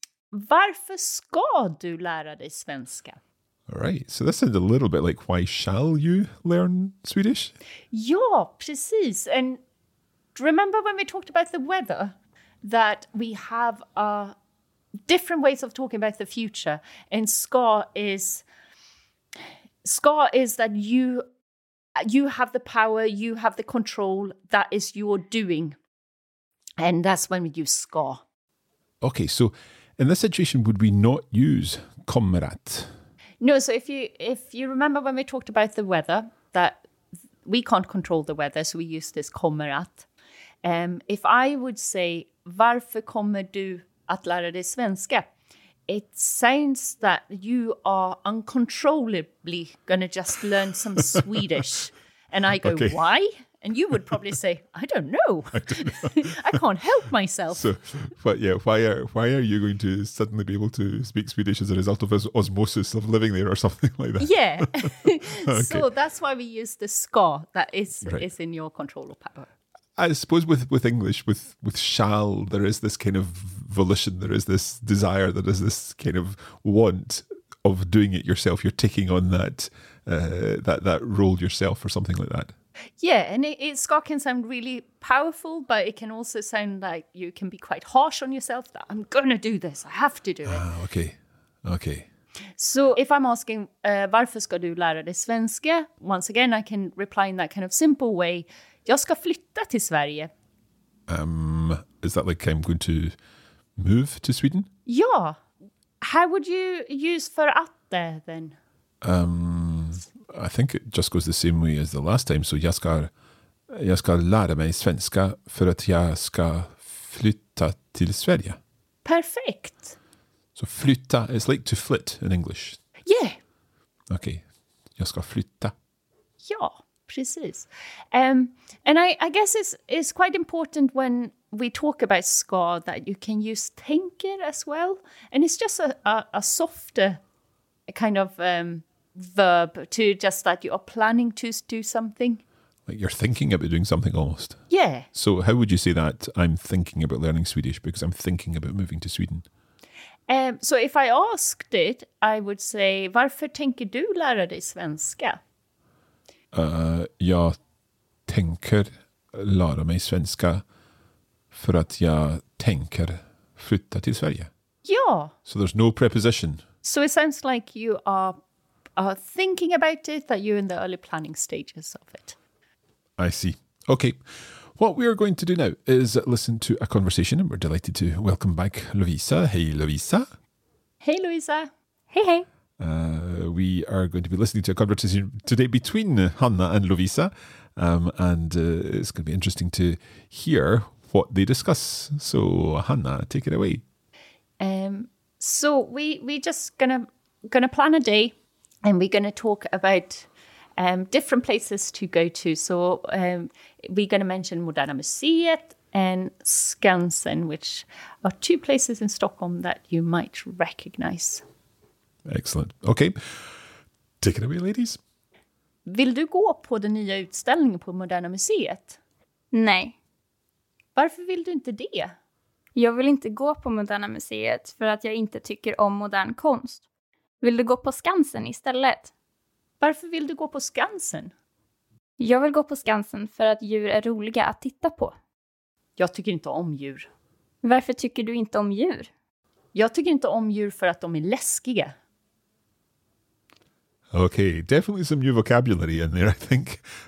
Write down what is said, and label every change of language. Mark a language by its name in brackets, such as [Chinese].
[Swedish] Varför ska du lära dig svenska? [English] All right, so this sounds a little bit like why shall you learn Swedish? [Swedish] Ja, precis. [English] And remember when we talked about the weather, that we have different ways of talking about the future. And ska is that you have the power, you have the control, that is your doing. And that's when we use ska. Okay, so in this situation, would we not use kommerat? No, so if you remember when we talked about the weather, that we can't control the weather, so we use this kommerat. If I would say, varför kommer du att lära dig svenska? It sounds that you are uncontrollably going to just learn some Swedish. And I go, okay. Why? And you would probably say, I don't know. I can't help myself. So, but yeah, why are you going to suddenly be able to speak Swedish as a result of osmosis of living there or something like that? Yeah. Okay. So that's why we use the ska, that is right. Is in your control of power. I suppose with English, with shall, there is this kind of volition, there is this desire, there is this kind of want of doing it yourself. You're taking on that role yourself or something like that. Yeah, and ska can sound really powerful, but it can also sound like you can be quite harsh on yourself, that I'm going to do this, I have to do it. Okay. So if I'm asking, [Swedish] varför ska du lära dig svenska? [English] Once again, I can reply in that kind of simple way, [Swedish] jag ska flytta till Sverige. [English] Is that like I'm going to move to Sweden? [Swedish] Ja. [English] How would you use för att there then? I think it just goes the same way as the last time. [Swedish] So jag ska lära mig svenska för att jag ska flytta till Sverige. [English] Perfect. So flytta, it's like to flit in English. Yeah. [Swedish] Okay. Jag ska flytta. Ja, precis. [English] And I guess it's quite important when we talk about ska that you can use tänker as well. And it's just a softer kind of verb to just that you are planning to do something. Like you're thinking about doing something almost. Yeah. So how would you say that I'm thinking about learning Swedish because I'm thinking about moving to Sweden? So if I asked it, I would say, [Swedish] varför tänker du lära dig svenska? Jag tänker lära mig svenska för att jag tänker flytta till Sverige. Ja. [English] So there's no preposition. So it sounds like you are thinking about it, that you're in the early planning stages of it. I see. Okay. What we are going to do now is listen to a conversation, and we're delighted to welcome back Lovisa. Hey, Lovisa. Hey, Lovisa. Hey. We are going to be listening to a conversation today between Hanna and Lovisa, and it's going to be interesting to hear what they discuss. So, Hanna, take it away. So, we're just going to plan a day. And we're going to talk about different places to go to. So we're going to mention Moderna Museet and Skansen, which are two places in Stockholm that you might recognize. Excellent. Okay. Take it away, ladies. [Swedish] Vill du gå på den nya utställningen på Moderna Museet? Nej. Varför vill du inte det? Jag vill inte gå på Moderna Museet för att jag inte tycker om modern konst. Vill du gå på Skansen istället? Varför vill du gå på Skansen? Jag vill gå på Skansen för att djur är roliga att titta på. Jag tycker inte om djur. Varför tycker du inte om djur? Jag tycker inte om djur för att de är läskiga. [English] Okay, definitely some new vocabulary in there, I think.